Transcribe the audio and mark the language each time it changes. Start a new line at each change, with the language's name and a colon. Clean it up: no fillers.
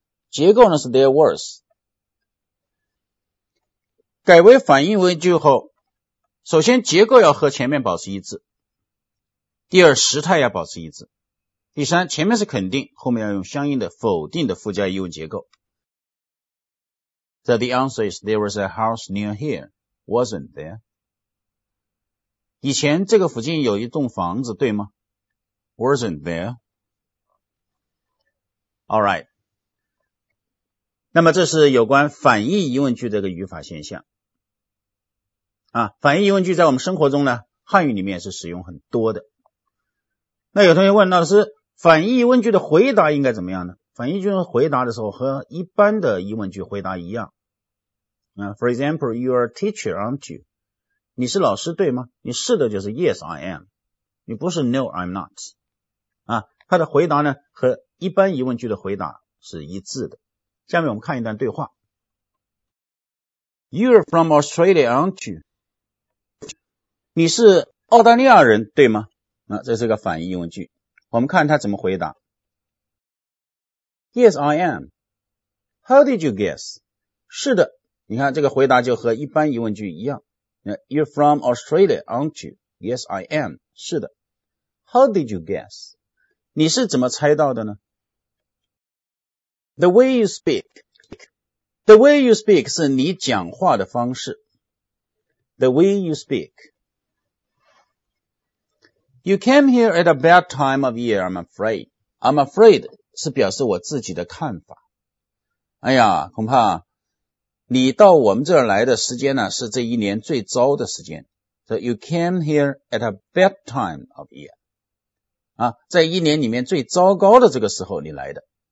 Chinese: 结构呢是
English: there was。
Chinese: 改为反义为句后，首先结构要和前面保持一致。第二，时态要保持一致。第三，前面是肯定，后面要用相应的否定的附加疑问结构。
English: So the answer is there was a house near here, wasn't there?
Chinese: 以前这个附近有一栋房子，对吗？
English: Wasn't there? Alright.
Chinese: 那么这是有关反义疑问句这个语法现象。啊，反义疑问句在我们生活中呢，汉语里面是使用很多的。那有同学问，老师，反义疑问句的回答应该怎么样呢？反义疑问句回答的时候和一般的疑问句回答一样。
English: For example, you are a teacher, aren't you?
Chinese: 你是老师对吗？你是的就是
English: yes, I am.
Chinese: 你不是
English: no, I'm not.
Chinese: 啊，他的回答呢和一般疑问句的回答是一致的。下面我们看一段对话。
English: You are from Australia, aren't you?
Chinese: 你是澳大利亚人对吗？那这是个反义疑问句。我们看他怎么回答。
English: Yes, I am. How did you guess?
Chinese: 是的，你看这个回答就和一般疑问句一样。
English: You're from Australia, aren't you? Yes, I am.
Chinese: 是的。
English: How did you guess?
Chinese: 你是怎么猜到的呢？
English: The way you speak
Chinese: 是你讲话的方式。
English: The way you speak. You came here at a bad time of year, I'm afraid. I'm afraid
Chinese: 是表示我自己的看法。哎呀，恐怕你到我们这儿来的时间呢，是这一年最糟的时间。
English: So you came here at a bad time of year.
Chinese: 啊，在一年里面最糟糕的这个时候你来的。